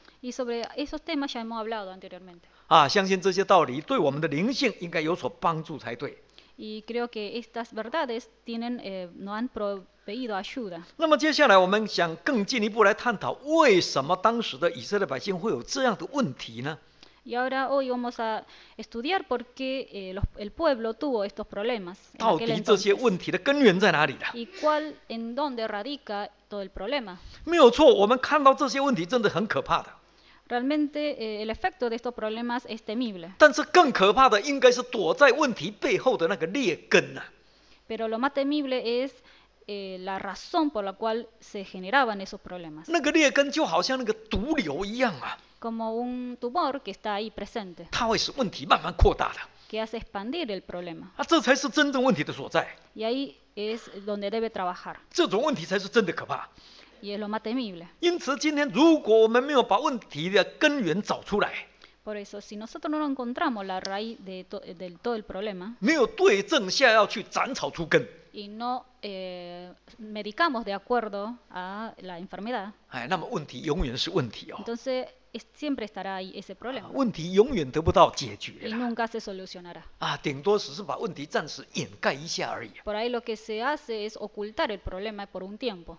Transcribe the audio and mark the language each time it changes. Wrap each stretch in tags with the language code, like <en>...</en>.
<es>Y sobre esos temas ya hemos hablado anteriormente.</es> <zh>相信这些道理对我们的灵性应该有所帮助才对。</zh> <es>Y creo que estas verdades tienen, no han proveído ayuda.</es> <zh>那么接下来我们想更进一步来探讨为什么当时的以色列百姓会有这样的问题呢？</zh> <es>Y ahora hoy vamos a estudiar por qué el pueblo tuvo estos problemas.</es> <zh>到底这些问题的根源在哪里呢？</zh> <es>Y cuál, en dónde radica todo el problema.</es> <zh>没有错，我们看到这些问题真的很可怕的。</zh> <es>Realmente el efecto de estos problemas es temible.</es> <zh>但是更可怕的应该是躲在问题背后的那个劣根啊。</zh> <es>Pero lo más temible es la razón por la cual se generaban esos problemas.</es> <zh>那个劣根就好像那个毒瘤一样啊。</zh> <es>Como un tumor que está ahí presente.</es> <zh>它会使问题慢慢扩大的。</zh> <es>Que hace expandir el problema.</es> <zh>啊，这才是真正问题的所在。</zh> <es>Y ahí es donde debe trabajar.</es> <zh>这种问题才是真的可怕。</zh> <es>Y es lo más temible.</es> <zh>因此今天如果我们没有把问题的根源找出来,</zh> <es>Por eso, si nosotros no encontramos la raíz de todo el problema,</es> <zh>没有对症下药去斩草除根,</zh> <es>y no medicamos de acuerdo a la enfermedad,</es> <zh>那么问题永远是问题哦。</zh> <es>Entonces, siempre estará ahí ese problema.</es> <zh>问题永远得不到解决了。</zh> <es>Y nunca se solucionará.</es> <zh>顶多只是把问题暂时掩盖一下而已。</zh> <es>Por ahí lo que se hace es ocultar el problema por un tiempo.</es>